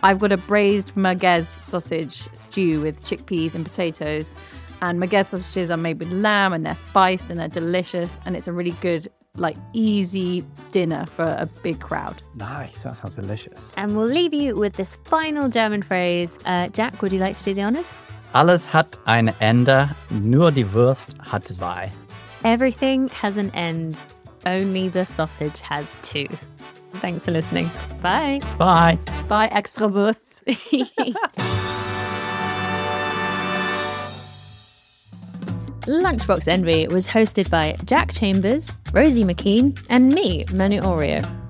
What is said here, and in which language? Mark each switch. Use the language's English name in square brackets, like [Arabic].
[English] I've got a braised merguez sausage stew with chickpeas and potatoes. And merguez sausages are made with lamb and they're spiced and they're delicious. And it's a really good, like, easy dinner for a big crowd. Nice, that sounds delicious. And we'll leave you with this final German phrase. Jack, would you like to do the honours? [German] Alles hat ein Ende, nur die Wurst hat zwei. [English] Everything has an end, only the sausage has two. Thanks for listening. Bye. Bye. Bye, extra Wurst. 'Lunchbox Envy' was hosted by Jack Chambers, Rosie McKean, and me, Manu Oreo.